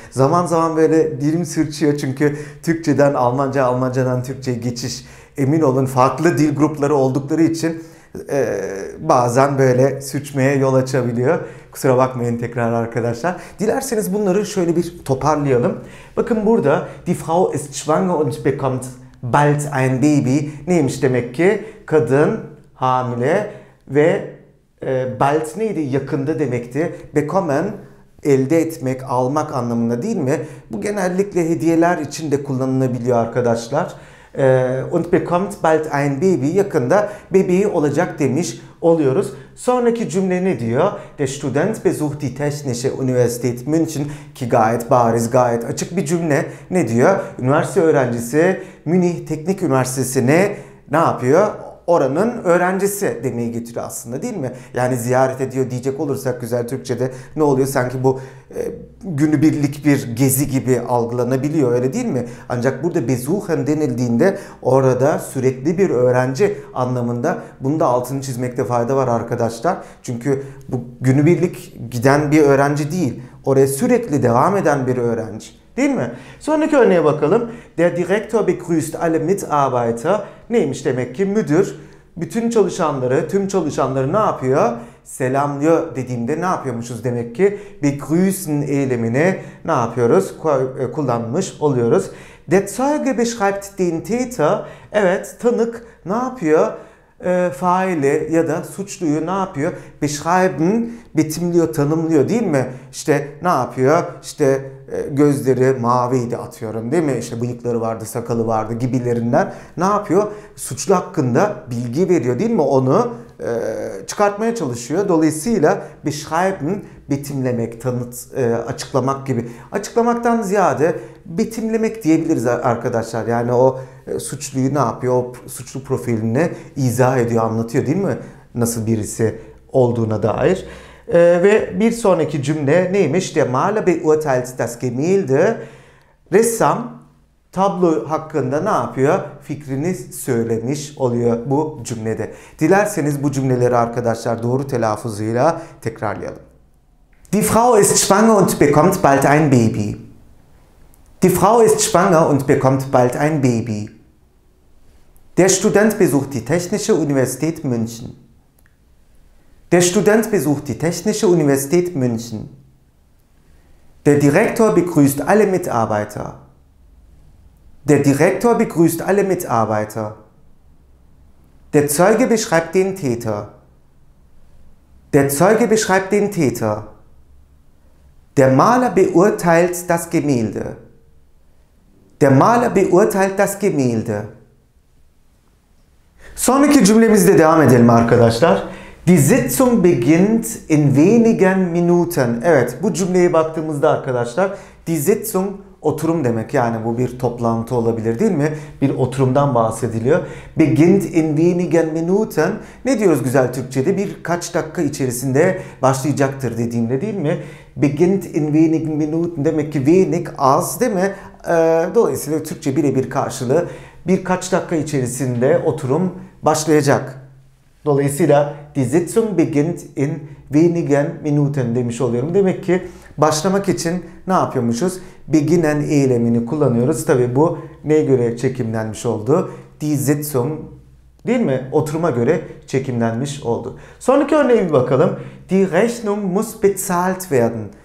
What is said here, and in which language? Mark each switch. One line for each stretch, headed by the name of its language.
Turkish: Zaman zaman böyle dilim sürçüyor çünkü Türkçeden Almanca, Almancadan Türkçe'ye geçiş. Emin olun farklı dil grupları oldukları için bazen böyle sürçmeye yol açabiliyor. Kusura bakmayın tekrar arkadaşlar. Dilerseniz bunları şöyle bir toparlayalım. Bakın burada
German: die Frau ist schwanger und bekommt bald ein Baby
Turkish: neymiş demek ki? Kadın hamile ve bald neydi? Yakında demekti. Bekommen elde etmek, almak anlamında değil mi? Bu genellikle hediyeler için de kullanılabiliyor arkadaşlar.
German: Und bekommt bald ein Baby
Turkish: yakında bebeği olacak demiş oluyoruz. Sonraki cümle ne diyor?
German: Der Student besucht die Technische Universität München
Turkish: ki gayet bariz, gayet açık bir cümle. Ne diyor? Üniversite öğrencisi Münih Teknik Üniversitesi'ne ne yapıyor? Oranın öğrencisi demeyi getiriyor aslında değil mi? Yani ziyaret ediyor diyecek olursak güzel Türkçe'de ne oluyor? Sanki bu günübirlik bir gezi gibi algılanabiliyor öyle değil mi? Ancak burada besuchen denildiğinde orada sürekli bir öğrenci anlamında bunu da altını çizmekte fayda var arkadaşlar. Çünkü bu günübirlik giden bir öğrenci değil. Oraya sürekli devam eden bir öğrenci. Değil mi? Sonraki örneğe bakalım.
German: Der Direktor begrüßt alle Mitarbeiter.
Turkish: Neymiş demek ki? Müdür bütün çalışanları, tüm çalışanları ne yapıyor? Selamlıyor dediğimde ne yapıyormuşuz demek ki? Begrüßen eylemini ne yapıyoruz? Kullanmış oluyoruz.
German: Der Zeuge beschreibt den Täter.
Turkish: Evet, tanık ne yapıyor? faili ya da suçluyu ne yapıyor? Beschreiben, betimliyor, tanımlıyor değil mi? İşte ne yapıyor? İşte gözleri maviydi atıyorum değil mi? İşte bıyıkları vardı, sakalı vardı gibilerinden. Ne yapıyor? Suçlu hakkında bilgi veriyor değil mi? Onu çıkartmaya çalışıyor. Dolayısıyla beschreiben, betimlemek, açıklamak gibi. Açıklamaktan ziyade betimlemek diyebiliriz arkadaşlar. Yani o suçluyu ne yapıyor? O suçlu profilini izah ediyor, anlatıyor değil mi? Nasıl birisi olduğuna dair. Ve bir sonraki cümle neymiş?
German: De Maler beurteilt das Gemälde.
Turkish: Ressam tablo hakkında ne yapıyor? Fikrini söylemiş oluyor bu cümlede. Dilerseniz bu cümleleri arkadaşlar doğru telaffuzuyla tekrarlayalım.
German: Die Frau ist schwanger und bekommt bald ein Baby. Die Frau ist schwanger und bekommt bald ein Baby. Der Student besucht die Technische Universität München. Der Student besucht die Technische Universität München. Der Direktor begrüßt alle Mitarbeiter. Der Direktor begrüßt alle Mitarbeiter. Der Zeuge beschreibt den Täter. Der Zeuge beschreibt den Täter. Der Maler beurteilt das Gemälde. Der Maler beurteilt das Gemälde.
Turkish: Sonraki cümlemizde devam edelim arkadaşlar.
German: Die Sitzung beginnt in wenigen Minuten.
Turkish: Evet, bu cümleye baktığımızda arkadaşlar, die Sitzung oturum demek. Yani bu bir toplantı olabilir değil mi? Bir oturumdan bahsediliyor.
German: Beginnt in wenigen Minuten.
Turkish: Ne diyoruz güzel Türkçe'de? Birkaç dakika içerisinde başlayacaktır dediğimde değil mi?
German: Beginnt in wenigen Minuten.
Turkish: Demek ki wenig az değil mi? Dolayısıyla Türkçe birebir karşılığı. Birkaç dakika içerisinde oturum başlayacak. Dolayısıyla
German: die Sitzung beginnt in wenigen Minuten
Turkish: demiş oluyorum. Demek ki başlamak için ne yapıyormuşuz? Beginnen eylemini kullanıyoruz. Tabi bu neye göre çekimlenmiş oldu? Die Sitzung değil mi? Oturuma göre çekimlenmiş oldu. Sonraki örneğe bir bakalım.
German: Die Rechnung muss bezahlt werden.